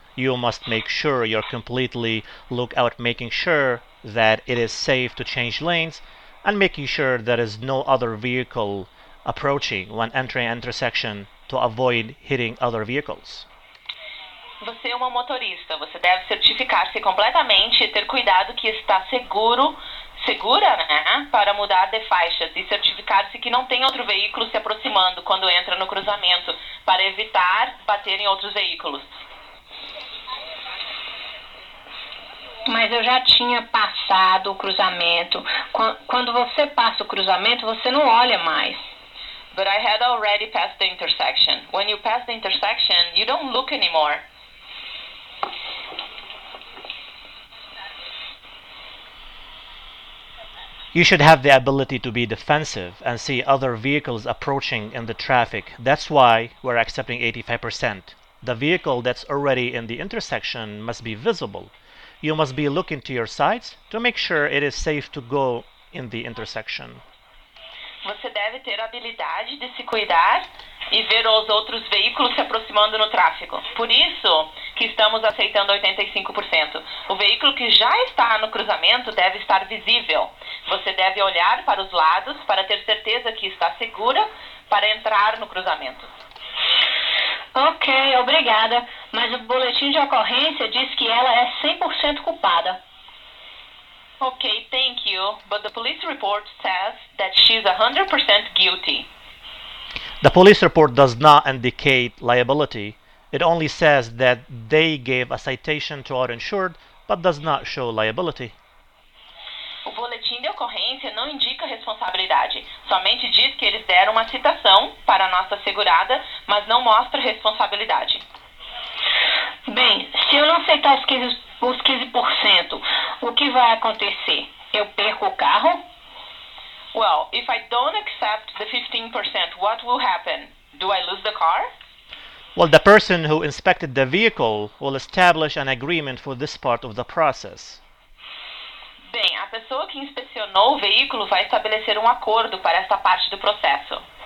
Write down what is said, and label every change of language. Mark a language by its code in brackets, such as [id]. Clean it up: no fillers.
[en] You must make sure you're completely look out, making sure that it is safe to change lanes and making sure there is no other vehicle approaching when entering an intersection to avoid hitting other vehicles. [pt] Você é uma motorista. Você deve certificar-se completamente e ter cuidado que está seguro. Segura, né, para mudar de faixas e certificar-se que não tem outro veículo se aproximando quando entra no cruzamento, para evitar bater em outros veículos. Mas eu já tinha passado o cruzamento. Quando você passa o cruzamento, você não olha mais. [en] But I had already passed the intersection. When you pass the intersection, you don't look anymore. You should have the ability to be defensive and see other vehicles approaching in the traffic. That's why we're accepting 85%. The vehicle that's already in the intersection must be visible. You must be looking to your sides to make sure it is safe to go in the intersection. [pt] Você deve ter a habilidade de se cuidar e ver os outros veículos se aproximando no tráfego. Por isso que estamos aceitando 85%. O veículo que já está no cruzamento deve estar visível. Você deve olhar para os lados para ter certeza que está segura para entrar no cruzamento. Ok, obrigada. Mas o boletim de ocorrência diz que ela é 100% culpada. [en] Ok, thank you. But the police report says that she's 100% guilty. The police report does not indicate liability. It only says that they gave a citation to our insured, but does not show liability. [pt] O boletim de ocorrência não indica responsabilidade. Somente diz que eles deram uma citação para a nossa segurada, mas não mostra responsabilidade. Bem, se eu não aceitar os 15%, o que vai acontecer? Eu perco o carro? [en] Well, if I don't accept the 15%, what will happen? Do I lose the car? Well, the person who inspected the vehicle will establish an agreement for this part of the process. [pt] Bem, a pessoa que inspecionou o veículo vai estabelecer um acordo para essa parte do processo.